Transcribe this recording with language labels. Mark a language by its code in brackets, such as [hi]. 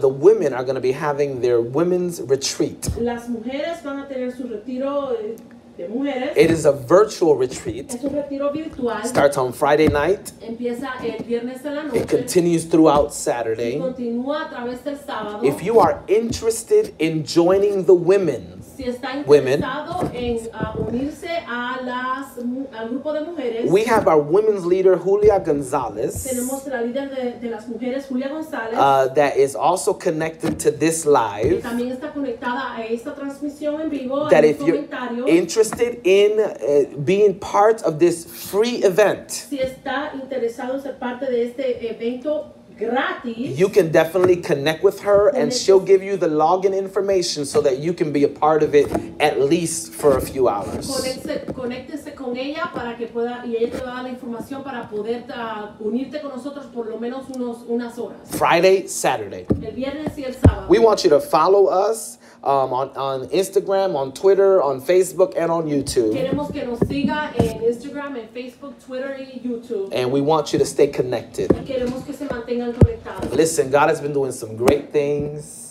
[en] the women are going to be having their women's retreat. [es] Las mujeres van a tener su retiro de mujeres. [en] It is a virtual retreat. [es] Es un retiro virtual. [en] Starts on Friday night. [es] Empieza el viernes de la noche. [en] It continues throughout Saturday. [es] Y continúa a través del sábado. [en] If you are interested in joining the women, women, [es] al grupo de mujeres, [en] we have our women's leader Julia Gonzalez, [es] tenemos la líder de las mujeres, Julia Gonzalez, [en] that is also connected to this live, [es] que también está conectada a esta transmisión en vivo, [en] that [es] en [en] if you're interested in being part of this free event, [es] si está interesado ser parte de este evento gratis, [en] you can definitely connect with her and she'll give you the login information so that you can be a part of it at least for a few hours. [es] Conéctese con ella para que pueda, y ella te va a dar la información para poder unirte con nosotros por lo menos unas horas. [en] Friday, Saturday. [es] El viernes y el sábado. [en] We want you to follow us on Instagram, on Twitter, on Facebook, and on YouTube. [es] Queremos que nos siga en Instagram, en Facebook, Twitter, y YouTube. [en] And we want you to stay connected. [es] Y queremos que se mantengan conectados. [en] Listen, God has been doing some great things.